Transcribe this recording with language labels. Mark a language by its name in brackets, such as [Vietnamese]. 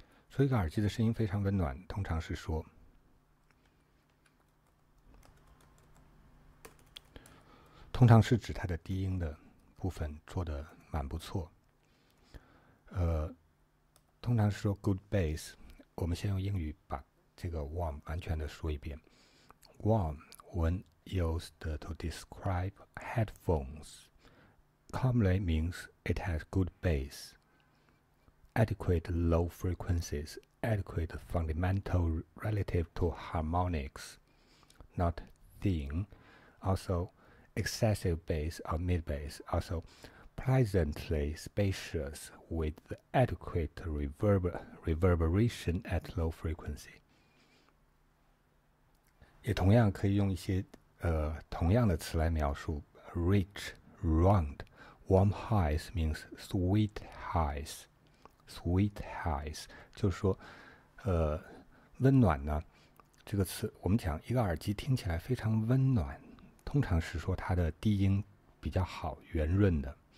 [Chinese] 说一个耳机的声音非常温暖，通常是说，通常是指它的低音的部分做得蛮不错。通常是说 good bass，我们先用英语把这个 warm 完全的说一遍。 [English] warm when used to describe headphones commonly means it has good bass, adequate low frequencies, adequate fundamental relative to harmonics, not thin, also excessive bass or mid bass, also pleasantly spacious with adequate reverberation at low frequency。 [Chinese] 也同样可以用一些同样的词来描述：rich, round, [English] warm highs means sweet highs。 [Chinese] sweet highs 就是说，温暖呢这个词，我们讲一个耳机听起来非常温暖，通常是说它的低音比较好，圆润的。